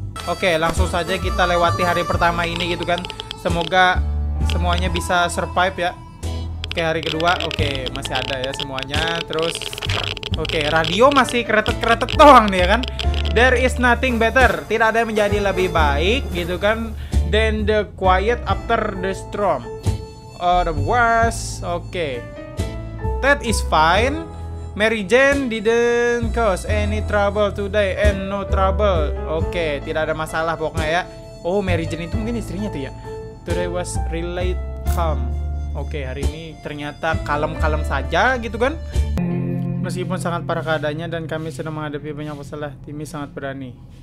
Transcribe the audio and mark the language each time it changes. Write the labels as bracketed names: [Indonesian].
[Indonesian] Oke, langsung saja kita lewati hari pertama ini gitu kan. Semoga semuanya bisa survive ya. Oke, hari kedua. Oke, masih ada ya semuanya. Terus oke, radio masih keretet-keretet doang nih ya kan. [English] There is nothing better. [Indonesian] Tidak ada yang menjadi lebih baik gitu kan [English] than the quiet after the storm. Otherwise, oke. That is fine. Mary Jane didn't cause any trouble today and no trouble. [Indonesian] Oke, tidak ada masalah pokoknya ya. Oh, Mary Jane itu mungkin istrinya tuh ya. [English] Today was really calm. [Indonesian] Oke, hari ini ternyata kalem-kalem saja gitu kan. Meskipun sangat parah keadaannya dan kami sedang menghadapi banyak masalah, Timmy sangat berani.